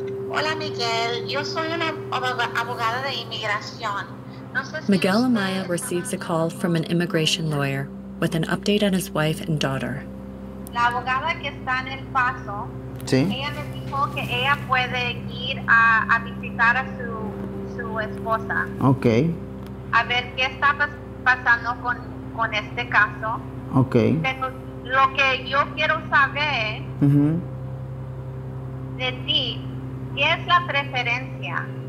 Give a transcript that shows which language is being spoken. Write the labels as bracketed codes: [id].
[es] Hola, Miguel. Yo soy una abogada de inmigración. [en] Miguel Amaya receives a call from an immigration lawyer with an update on his wife and daughter. [es] La abogada que está en el paso, ¿sí? Ella me dijo que ella puede ir a visitar a su esposa. [en] Okay. [es] A ver qué está pasando con este caso. [en] Okay. [es] Pero lo que yo quiero saber de ti, ¿qué es la preferencia?